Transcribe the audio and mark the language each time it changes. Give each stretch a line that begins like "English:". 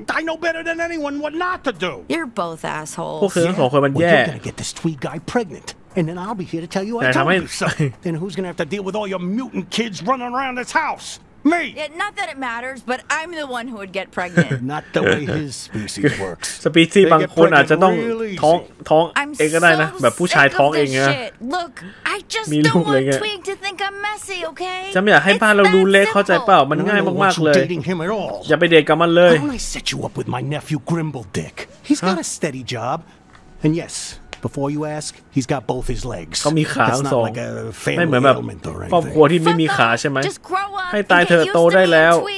English: I know better than anyone what not to do. You're both assholes.
Thai: พวกเธอสองคนมันแย่
English: You're gonna get this tweed guy pregnant. And then I'll be here to tell you I told you so. Then who's gonna have to deal with all your mutant kids running around this house? Me! Yeah, not that it matters, but I'm the one who would get pregnant. Not the way his species works.
Thai: Species บางคนอาจจะต้องท้องเองก็ได้นะแบบผู้ชายท้องเองนะ
English: Look, I just don't want Twig to think I'm messy, okay?
Thai: ฉันไม่อยากให้บ้านเราดูเล็กเข้าใจเปล่ามันง่ายมากๆเลยอย่าไปเดทกับมันเลย
English: I set you up with my nephew Grimble Dick. He's got a steady job. And yes,Before you ask, he's got both his legs.
Thai: เขามีขาสองไม่เหมือนแบบครอบครัวที่ไม่มีขาใช่ไหมให้ตายเธอโตได้แล้ว